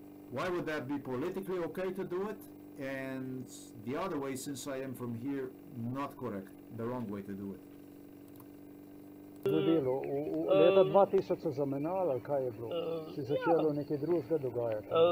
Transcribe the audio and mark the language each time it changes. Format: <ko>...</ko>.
<en>Why would that be politically okay to do it? And the other way, since I am from here, not correct, the wrong way to do it.</en> <sl>Leta 2000 so zamenjali, ali kaj je bilo? Si začelo nekaj družbe dogajati?</sl>